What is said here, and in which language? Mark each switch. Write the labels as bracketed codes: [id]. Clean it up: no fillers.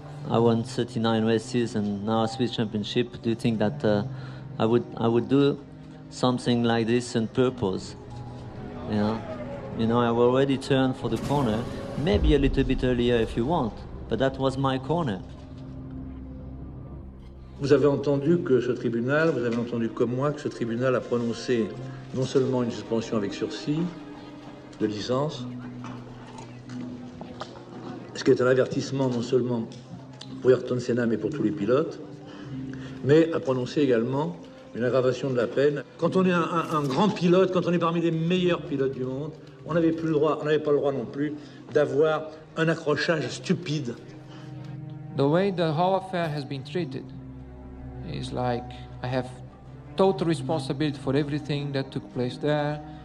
[en] I won 39 races and now a Swiss championship. Do you think that I would do something like this on purpose? You know, I already turned for the corner, maybe a little bit earlier if you want, but that was my corner. [fr] Vous avez entendu que ce tribunal, vous avez entendu comme moi que ce tribunal a prononcé non seulement une suspension avec sursis de licence, ce qui est un avertissement non seulement pour Ayrton Senna mais pour tous les pilotes, mais a prononcé également une aggravation de la peine. Quand on est un grand pilote, quand on est parmi les meilleurs pilotes du monde, on n'avait plus le droit, on n'avait pas le droit non plus d'avoir un accrochage stupide. [en] The way the whole affair has been treated is like I have total responsibility for everything that took place there.